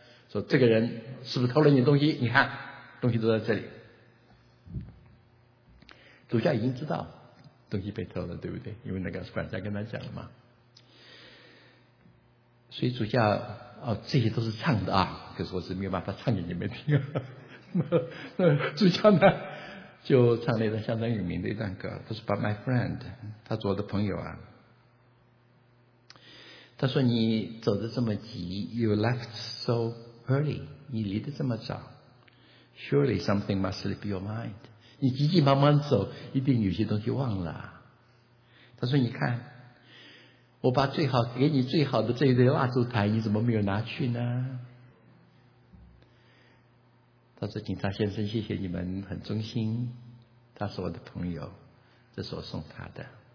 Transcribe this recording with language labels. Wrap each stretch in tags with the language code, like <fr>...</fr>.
<zh>说这个人是不是偷了你的东西？你看东西都在这里，主教已经知道东西被偷了，对不对？因为那个管家跟他讲了嘛。所以主教哦，这些都是唱的啊，可是我是没有办法唱给你们听。那主教呢，就唱了一段相当有名的一段歌，他说</zh> <en>"But my friend"，</en> <zh>他做我的朋友啊。他说你走得这么急 ，</zh> <en>You left so early，</en> <zh>你离得这么早 ，</zh> <en>Surely something must slip your mind。</en> <zh>你急急忙忙走，一定有些东西忘了。他说你看。我把最好给你最好的这一堆蜡烛台，你怎么没有拿去呢？他说：“警察先生，谢谢你们很忠心。他是我的朋友，这是我送他的。</zh>